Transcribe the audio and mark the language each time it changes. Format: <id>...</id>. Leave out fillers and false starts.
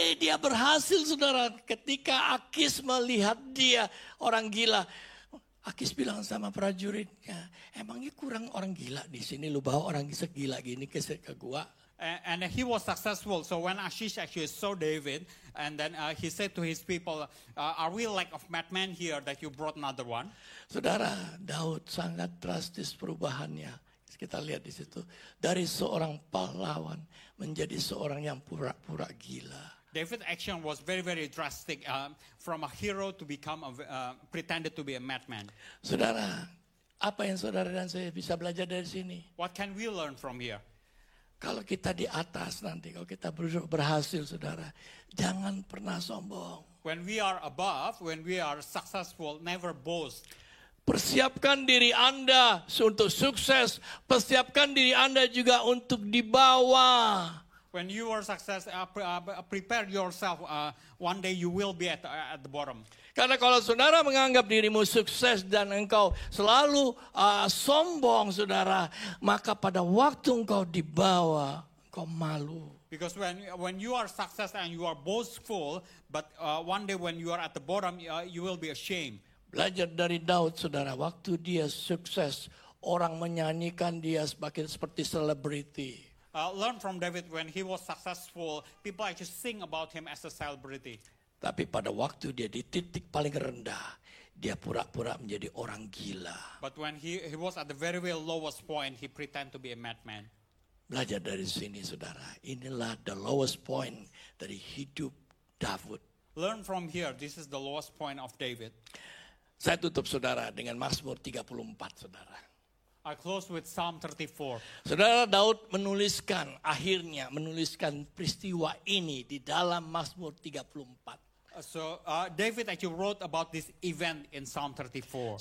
<id>Dia berhasil, saudara. Ketika Akis melihat dia orang gila, Akis bilang sama prajuritnya, "Emangnya kurang orang gila di sini? Lu bawa orang segila gini ke gua?"</id> <en>And he was successful. So when Achish actually saw David, and then he said to his people, "Are we like of madmen here that you brought another one?"</en> <id>Saudara, Daud sangat drastis perubahannya. Kita lihat di situ dari seorang pahlawan menjadi seorang yang pura-pura gila.</id> <en>David's action was very very drastic from a hero to become a pretended to be a madman.</en> <id>Saudara, apa yang saudara dan saya bisa belajar dari sini?</id> <en>What can we learn from here?</en> <id>Kalau kita di atas nanti, kalau kita berhasil, saudara, jangan pernah sombong.</id> <en>When we are above, when we are successful, never boast.</en> <id>Persiapkan diri Anda untuk sukses. Persiapkan diri Anda juga untuk dibawa.</id> <en>When you are successful, prepare yourself. One day you will be at the bottom.</en> <id>Karena kalau saudara menganggap dirimu sukses dan engkau selalu sombong, saudara, maka pada waktu engkau dibawa, engkau malu.</id> <en>Because when you are successful and you are boastful, but one day when you are at the bottom, you will be ashamed.</en> <id>Belajar dari Daud, saudara, waktu dia sukses, orang menyanyikan dia sebagai seperti selebriti.</id> <en>Learn from David, when he was successful, people actually sing about him as a celebrity.</en> <id>Tapi pada waktu dia di titik paling rendah, dia pura-pura menjadi orang gila.</id> <en>But when he was at the very, very lowest point, he pretend to be a madman.</en> <id>Belajar dari sini, saudara, inilah</id> <en>the lowest point</en> <id>dari hidup Daud.</id> <en>Learn from here, this is the lowest point of David.</en> <id>Saya tutup, saudara, dengan Mazmur 34, saudara.</id> <en>I close with Psalm 34.</en> <id>Saudara, Daud menuliskan, akhirnya menuliskan peristiwa ini di dalam Mazmur 34.</id> <en>David actually wrote about this event in Psalm 34.</en>